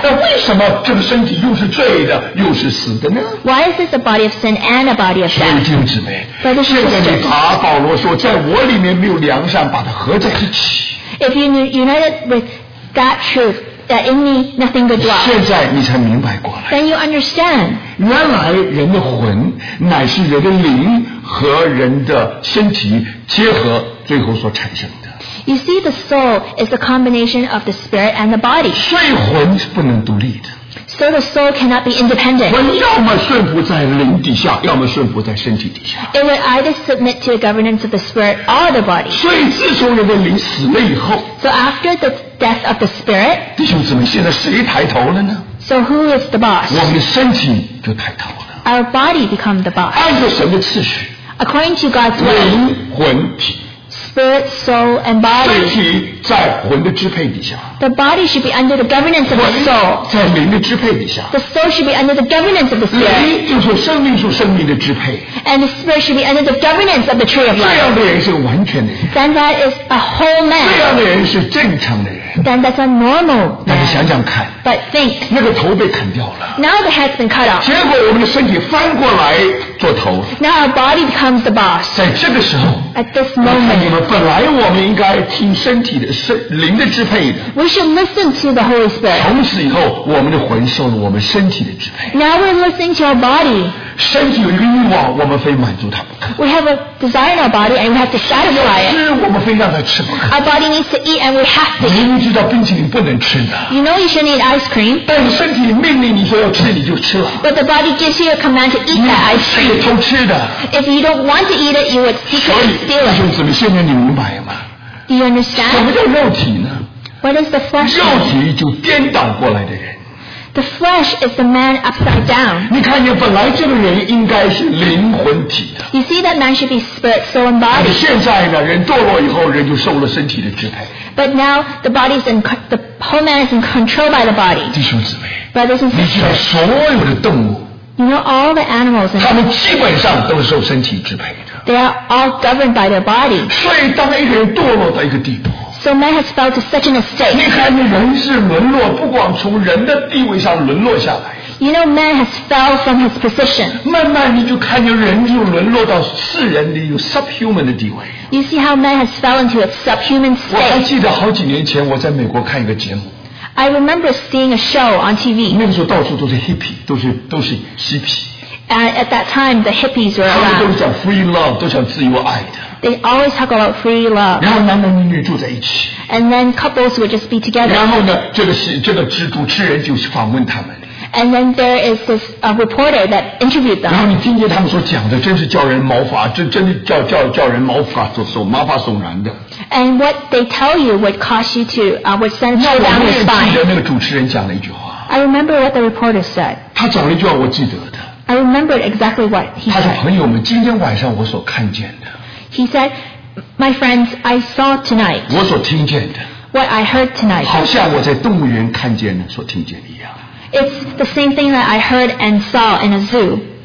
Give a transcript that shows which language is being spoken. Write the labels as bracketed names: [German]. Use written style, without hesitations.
[Chinese] 那为什么这个身体又是罪的，又是死的呢？ [English] Why is this a body of sin and a body of death? [Chinese] 弟兄姊妹，现在你把保罗说，在我里面没有良善，把它合在一起。 [English] If you united with that truth, that in me nothing good dwells. [Chinese] 现在你才明白过来。 [English] Then you understand. [Chinese] 原来人的魂乃是人的灵。和人的身体结合最后所产生的。 [English] You see, the soul is the combination of the spirit and the body. [Chinese] 睡魂是不能独立的。 [English] So the soul cannot be independent. [Chinese] 魂要么顺服在灵底下，要么顺服在身体底下。 [English] It would either submit to the governance of the spirit or the body. [Chinese] 所以自从人的灵死了以后。 [English] So after the death of the spirit. [Chinese] 弟兄姊妹，现在谁抬头了呢？ [English] So who is the boss? [Chinese] 我们的身体就抬头了。 [English] Our body become the boss. [Chinese] 按照什么次序？ [English] According to God's will, [Chinese] 灵魂体 [English] spirit, soul, and body. [Chinese] 身体在魂的支配底下。 [English] The body should be under the governance of the soul. [Chinese] 在灵的支配底下。 [English] The soul should be under the governance of the spirit. [Chinese] 灵就是生命，受生命的支配。 [English] And the spirit should be under the governance of the tree of life. [Chinese] 这样的人是完全的人。 [English] Then that is a whole man. [Chinese] 这样的人是正常的人。 [English] Then that's a normal man. [Chinese] 那你想想看。 [English] But think. [Chinese] 那个头被砍掉了。 [English] Now the head's been cut off. [Chinese] 结果我们的身体翻过来做头。 [English] Now our body becomes the boss. [Chinese] 在这个时候。 [English] At this moment. [Chinese] 你们本来我们应该听身体的灵的支配的。 [English] We should listen to the Holy Spirit. [Chinese] 从此以后我们的魂受了我们身体的支配。 [English] Now we're listening to our body. [Chinese] 身体有一个欲望，我们非满足它不可。 [English] We have a desire in our body and we have to satisfy it. [Chinese] 吃，我们非让它吃不可。 [English] Our body needs to eat and we have to. [Chinese] 明明知道冰淇淋不能吃的。 [English] You know you shouldn't eat ice cream. [Chinese] 但是身体命令你说要吃，你就吃了。 [English] But the body gives you a command to eat that ice cream. [Chinese] 你偷吃的。 [English] If you don't want to eat it, you would seek to steal it. [Chinese] 所以，弟兄姊妹，现在你明白吗？ [English] Do you understand? [Chinese] 什么叫肉体呢？ [English] What is the flesh? [Chinese] 肉体就颠倒过来的人。 [English] The flesh is the man upside down. [Chinese] 你看，你本来这个人应该是灵魂体的。 [English] You see that man should be spirit, soul, and body. [Chinese] 但现在呢，人堕落以后，人就受了身体的支配。 [English] But now the body is in the whole man is in control by the body. [Chinese] 弟兄姊妹。 [English] But this is. [Chinese] 你知道所有的动物。 [English] You know all the animals. [Chinese] 他们基本上都是受身体支配的。 [English] They are all governed by their body. [Chinese] 所以当一个人堕落到一个地步。 [English] So man has fell to such an estate. [Chinese] 你看，人是沦落，不光从人的地位上沦落下来。 [English] You know, man has fell from his position. [Chinese] 慢慢你就看见人就沦落到世人的有 subhuman 的地位。 [English] You see how man has fell into a subhuman state. [Chinese] 我还记得好几年前我在美国看一个节目。 [English] I remember seeing a show on TV. [Chinese] 那个时候到处都是 hippie, 都是嬉皮。 [English] At that time, the hippies were around. [Chinese] 他们都讲 [English] free love, [Chinese] 都想自由爱的。 [English] They always talk about free love. [Chinese] 然后男男女女住在一起。 [English] And then couples would just be together. [Chinese] 然后呢，这个主持人就访问他们。 [English] And then there is this reporter that interviewed them. [Chinese] 然后你听见他们所讲的，真是叫人毛发，真的叫人毛发，手麻发手软的。 [English] And what they tell you would cause you to would send chill down your spine. [Chinese] 那个主持人讲了一句话。 [English] I remember what the reporter said. [Chinese] 他讲了一句话，我记得的。 [English] I remember exactly what he said. [Chinese] 他说，朋友们，今天晚上我所看见的。 [English] He said, "My friends, I saw tonight." [Chinese] 我所听见的。 [English] What I heard tonight. [Chinese] 好像我在动物园看见的，所听见的一样。 [English] It's the same thing that I heard and saw in a zoo.